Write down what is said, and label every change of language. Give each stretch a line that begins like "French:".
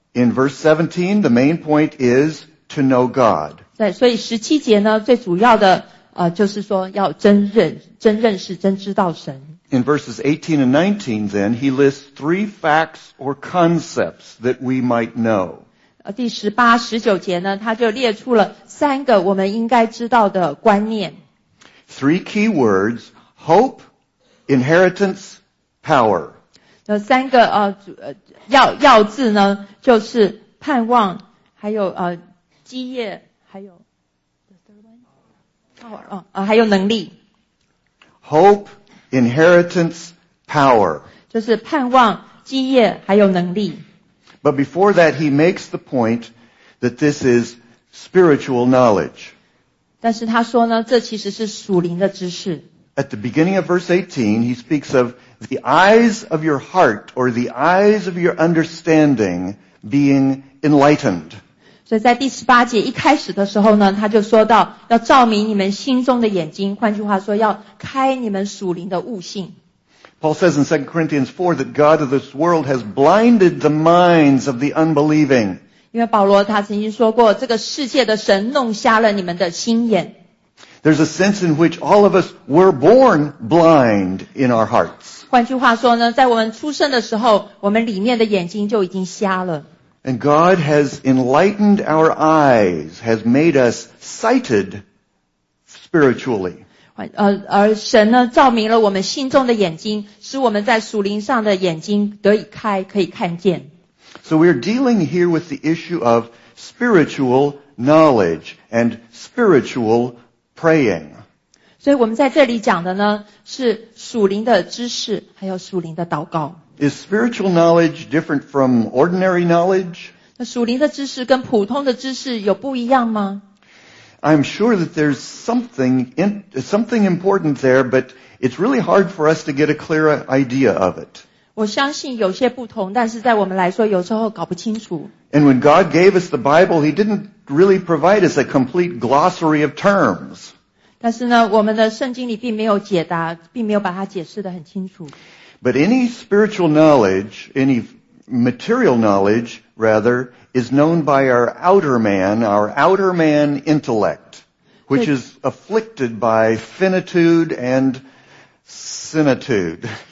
English: In verse 17, the main point is to know God.
Chinese: 在所以十七节呢，最主要的就是说要真认识、真知道神。
English: In verses 18 and 19, then he lists three facts or concepts that we might know.
Chinese: 第十八、十九节呢，他就列出了三个我们应该知道的观念。
English: Three key words: hope, inheritance, power.
Chinese: 那三个要字呢，就是盼望，还有基业，还有
English: the third one, power
Chinese: 还有能力。
English: Hope, inheritance, power.
Chinese: 就是盼望、基业还有能力。
English: But before that, he makes the point that this is spiritual knowledge.
Chinese: 但是他说呢，这其实是属灵的知识。
English: At the beginning of verse 18, he speaks of the eyes of your heart or the eyes of your understanding being enlightened.
Chinese: 所以在第十八节一开始的时候呢，他就说到要照明你们心中的眼睛，换句话说，要开你们属灵的悟性。
English: Paul says in 2 Corinthians 4 that God of this world has blinded the minds of the unbelieving.
Chinese: 因为保罗他曾经说过, 这个世界的神弄瞎了你们的心眼。
English: There's a sense in which all of us were born blind in our hearts.
Chinese: 换句话说呢, 在我们出生的时候, 我们里面的眼睛就已经瞎了。
English: And God has enlightened our eyes, has made us sighted spiritually.
Chinese: 而神呢, 照明了我们心中的眼睛, 使我们在属灵上的眼睛得以开, 可以看见。
English: So we're dealing here with the issue of spiritual knowledge and spiritual praying.
Chinese: 所以我们在这里讲的呢, 是属灵的知识, 还有属灵的祷告。
English: Is spiritual knowledge different from ordinary knowledge?
Chinese: 那属灵的知识跟普通的知识有不一样吗?
English: I'm sure that there's something important there, but it's really hard for us to get a clear idea of it.
Chinese: 我相信有些不同, 但是在我们来说有时候搞不清楚。
English: And when God gave us the Bible, He didn't really provide us a complete glossary of terms.
Chinese: 但是呢, 我们的圣经里并没有解答, 并没有把它解释得很清楚。
English: But any spiritual knowledge, any material knowledge, rather, is known by our outer man intellect, which is afflicted by finitude and senitude.